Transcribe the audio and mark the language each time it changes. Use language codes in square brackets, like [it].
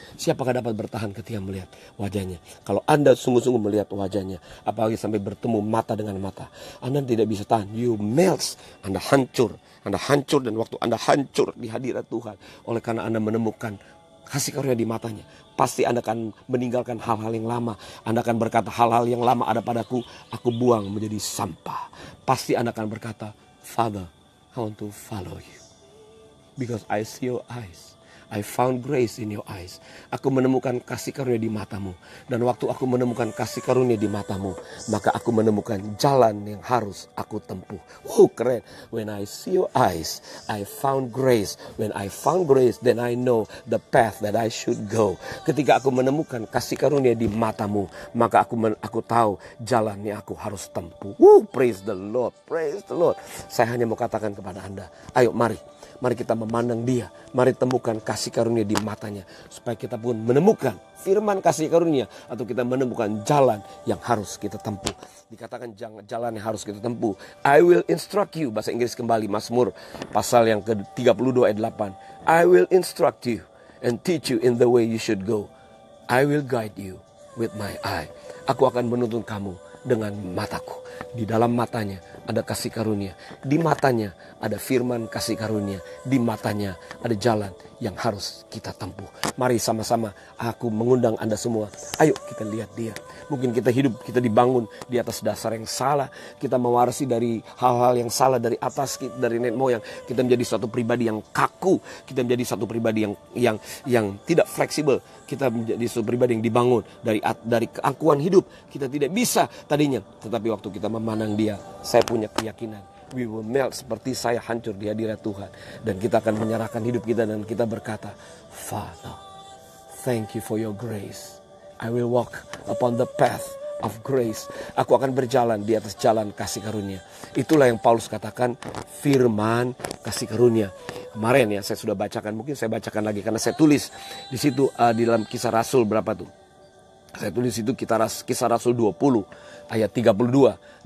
[id] Siapakah dapat bertahan ketika melihat wajahnya? Kalau Anda sungguh-sungguh melihat wajahnya, apalagi sampai bertemu mata dengan mata, Anda tidak bisa tahan. [en] You melts. [id] Anda hancur. Anda hancur. Dan waktu Anda hancur di hadirat Tuhan, oleh karena Anda menemukan kasih karunia di matanya, pasti Anda akan meninggalkan hal-hal yang lama. Anda akan berkata, hal-hal yang lama ada padaku, aku buang menjadi sampah. Pasti Anda akan berkata, [en] Father, I want to follow you. Because I see your eyes. I found grace in your eyes. [id] Aku menemukan kasih karunia di matamu. Dan waktu aku menemukan kasih karunia di matamu, maka aku menemukan jalan yang harus aku tempuh. Wow, keren. [en] When I see your eyes, I found grace. When I found grace, then I know the path that I should go. [id] Ketika aku menemukan kasih karunia di matamu, maka aku tahu jalan yang aku harus tempuh. [en] Wow, praise the Lord, praise the Lord. [id] Saya hanya mau katakan kepada Anda, ayo mari. Mari kita memandang dia. Mari temukan kasih karunia di matanya. Supaya kita pun menemukan firman kasih karunia. Atau kita menemukan jalan yang harus kita tempuh. Dikatakan jalan yang harus kita tempuh. [en] I will instruct you. [id] Bahasa Inggris kembali. Mazmur pasal yang ke-32 ayat 8. [en] I will instruct you and teach you in the way you should go. I will guide you with my eye. [id] Aku akan menuntun kamu dengan mataku. Di dalam matanya ada kasih karunia. Di matanya ada firman kasih karunia. Di matanya ada jalan yang harus kita tempuh. Mari sama-sama aku mengundang Anda semua. Ayo kita lihat dia. Mungkin kita hidup, kita dibangun di atas dasar yang salah. Kita mewarisi dari hal-hal yang salah dari atas, dari nenek moyang. Kita menjadi satu pribadi yang kaku. Kita menjadi satu pribadi yang tidak fleksibel. Kita menjadi satu pribadi yang dibangun dari keangkuhan hidup. Kita tidak bisa tadinya. Tetapi waktu kita memandang dia, saya punya keyakinan. [en] We will melt [id] seperti saya hancur di hadirat Tuhan. Dan kita akan menyerahkan hidup kita dan kita berkata, [en] Father, thank you for your grace. I will walk upon the path of grace. [id] Aku akan berjalan di atas jalan kasih karunia. Itulah yang Paulus katakan, firman kasih karunia. Kemarin ya, saya sudah bacakan, mungkin saya bacakan lagi karena saya tulis di situ di dalam kisah rasul berapa tuh. Saya tulis itu kisah rasul 20 ayat 32.